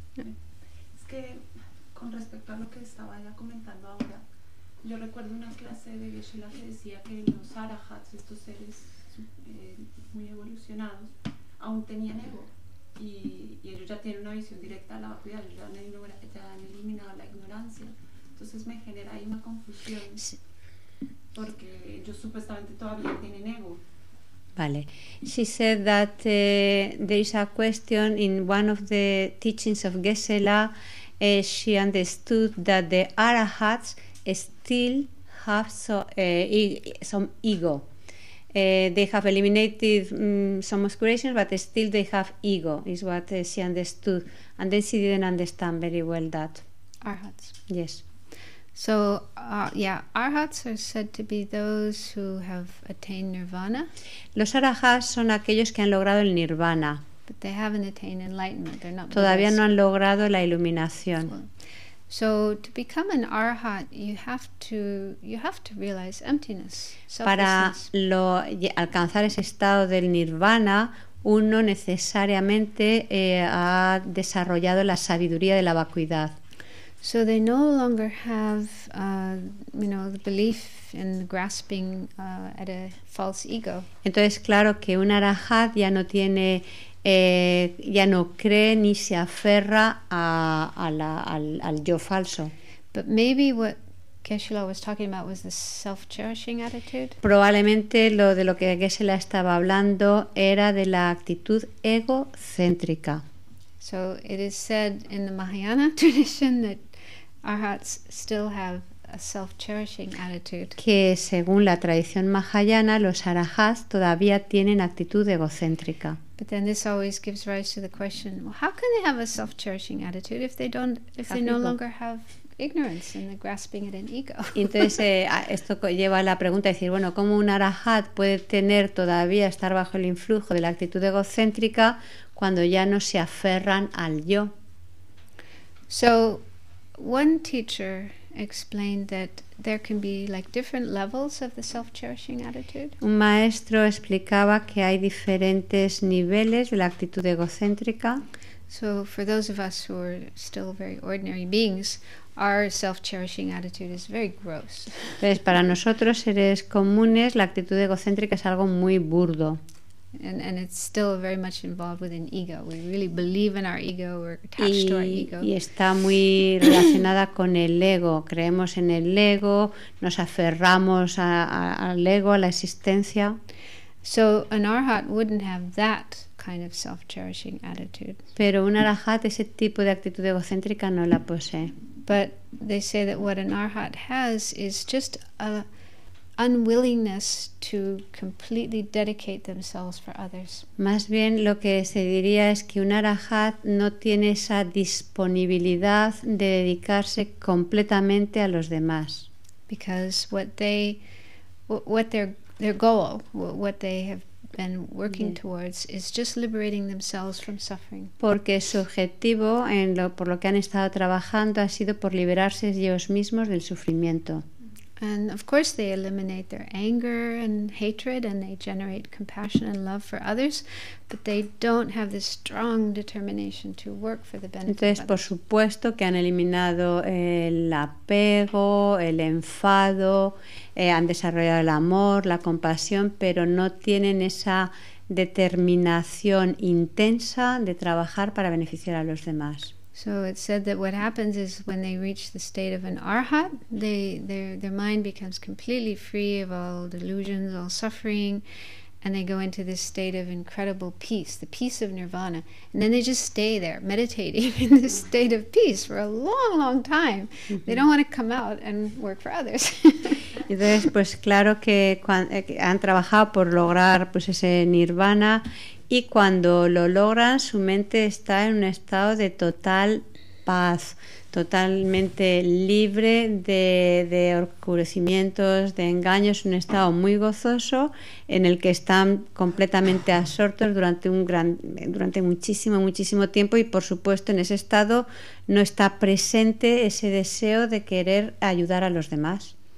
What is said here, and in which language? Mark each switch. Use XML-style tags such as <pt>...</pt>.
<es>Es que con respecto a lo que estaba ella comentando ahora, yo recuerdo una clase de Geshe-la que decía que los arahats, estos seres muy evolucionados, aún tenían ego y ellos ya tienen una visión directa a la vacuidad, ya han eliminado la ignorancia. Entonces me genera ahí una confusión porque ellos supuestamente todavía tienen ego. Vale.</es> <en>She said that there is a question in one of the teachings of Gesela. She understood that the arahats still have some ego. They have eliminated some obscuration, but still they have ego, is what she understood. And then she didn't understand very well that. Arahats. Yes. So, arhats are said to be those who have attained nirvana.</en> <es>Los arhats son aquellos que han logrado el nirvana.</es> <en>But they haven't attained enlightenment. They're not.</en> <es>Todavía no han logrado la iluminación.</es> <en>So to become an arhat, you have to realize emptiness.</en> <es>Para alcanzar ese estado del nirvana, uno necesariamente ha desarrollado la sabiduría de la vacuidad.</es> <en>So they no longer have, the belief in grasping at a false ego.</en> <es>Entonces, claro que un arahat ya no tiene ya no cree ni se aferra al yo falso.</es> <en>But maybe what Geshe-la was talking about was the self-cherishing attitude.</en> <es>Probablemente lo de lo que Geshe-la estaba hablando era de la actitud egocéntrica.</es> <en>So it is said in the Mahayana tradition that arhats still have a self-cherishing attitude.</en> <es>Que según la tradición Mahayana, los arahats todavía tienen actitud egocéntrica.</es> <en>But then this always gives rise to the question, well, how can they have a self-cherishing attitude if they no longer have ignorance and the grasping at an ego?</en> <es>Entonces esto lleva a la pregunta de decir, bueno, ¿cómo un arahat puede tener todavía estar bajo el influjo de la actitud egocéntrica cuando ya no se aferran al yo?</es> <en>So one teacher explained that there can be like different levels of the self-cherishing attitude.</en> <es>Un maestro explicaba que hay diferentes niveles de la actitud egocéntrica.</es> <en>So for those of us who are still very ordinary beings, our self-cherishing attitude is very gross.</en> <es>Pues para nosotros seres comunes la actitud egocéntrica es algo muy burdo.</es> <en>And it's still very much involved with an ego. We really believe in our ego. We're attached to our ego.</en> <es>Y está muy relacionada con el ego. Creemos en el ego. Nos aferramos al ego, a la existencia.</es> <en>So an arhat wouldn't have that kind of self-cherishing attitude.</en> <es>Pero un arahat ese tipo de actitud egocéntrica no la posee.</es> <en>But they say that what an arhat has is just a unwillingness to completely dedicate themselves for others.</en> <es>Más bien lo que se diría es que un arahat no tiene esa disponibilidad de dedicarse completamente a los demás.</es> <en>Because what their goal, what they have been working towards is just liberating themselves from suffering.</en> <es>Porque su objetivo en lo por lo que han estado trabajando ha sido por liberarse ellos mismos del sufrimiento.</es> <en>And of course they eliminate their anger and hatred and they generate compassion and love for others, but they don't have this strong determination to work for the benefit.</en> <es>Entonces, por supuesto que han eliminado el apego, el enfado, han desarrollado el amor, la compasión, pero no tienen esa determinación intensa de trabajar para beneficiar a los demás.</es> <en>So it's said that what happens is when they reach the state of an arhat, their mind becomes completely free of all delusions, all suffering, and they go into this state of incredible peace, the peace of nirvana. And then they just stay there, meditating in this state of peace for a long, long time. Mm-hmm. They don't want to come out and work for others.</en> <es>Entonces, pues claro que han trabajado por lograr pues ese nirvana. Y cuando lo logran, su mente está en un estado de total paz, totalmente libre de oscurecimientos, de engaños, un estado muy gozoso en el que están completamente absortos durante muchísimo, muchísimo tiempo y, por supuesto, en ese estado no está presente ese deseo de querer ayudar a los demás.</es>